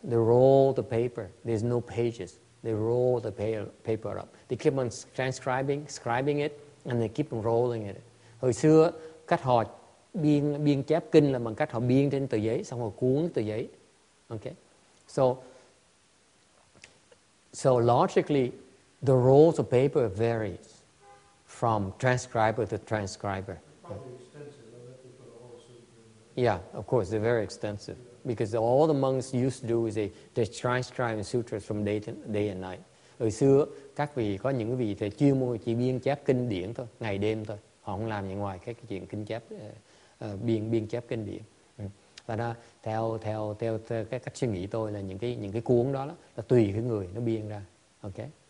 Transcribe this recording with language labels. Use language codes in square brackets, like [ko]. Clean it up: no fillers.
[en] They roll the paper. There's no pages. They roll the paper up. They keep on scribing it, and they keep on rolling it. [vi] Hồi xưa cách họ biên chép kinh là bằng cách họ biên trên tờ giấy, xong rồi cuốn tờ giấy. [en] Okay, so logically, the rolls of paper varies from transcriber to transcriber. Yeah, of course, they're very extensive. Because all the monks used to do is they transcribe sutras from day and night. [vi] Hồi xưa, các vị có những vị thì chuyên môn chỉ biên chép kinh điển thôi, ngày đêm thôi. Họ không làm gì ngoài cái chuyện kinh chép, biên chép kinh điển. Và đó, theo cái cách suy nghĩ tôi là những cái cuốn đó là tùy cái người nó biên ra. Okay?